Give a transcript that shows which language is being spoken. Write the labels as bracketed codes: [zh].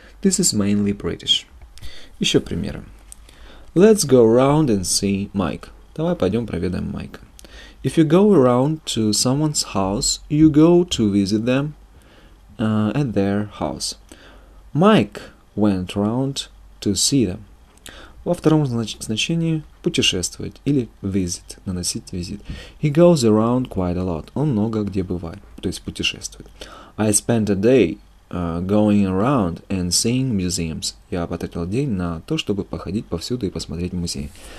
[en] This is mainly British. [ru] Еще примеры. [en] Let's go around and see Mike. [ru] Давай пойдем проведаем Майка. [en] If you go around to someone's house, you go to visit them at their house. Mike went round to see them. [ru] Во втором значении путешествовать или visit, наносить визит. [en] He goes around quite a lot. [ru] Он много где бывает, то есть путешествует. [en] I spent a day going around and seeing museums. [ru] Я потратил день на то, чтобы походить повсюду и посмотреть музеи.